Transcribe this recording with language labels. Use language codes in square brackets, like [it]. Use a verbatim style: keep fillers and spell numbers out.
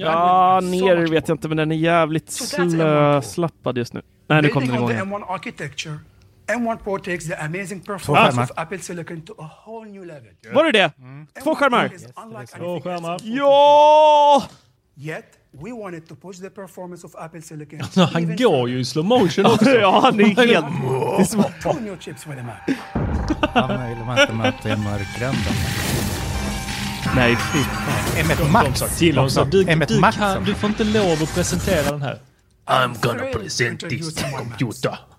[sv] Ja, ner vet jag inte, men den är jävligt slö, slappad just nu. Nej, nu kom den igång igen. [en] M one Pro takes the amazing performance of Apple Silicon to a whole new level. [sv] Var det det? Mm. Två skärmar. Yes, Två skärmar. Ja! [en] Yet we wanted to push the performance of Apple Silicon. [sv] Alltså, han går ju i slow motion också. Ja, han är helt... Det är som att ta nya chips med dem. Han vill man inte möta i mörkgränden. Nej, M ett Max. M ett Max. Du får inte lov att presentera den här. [en] I'm gonna present this computer.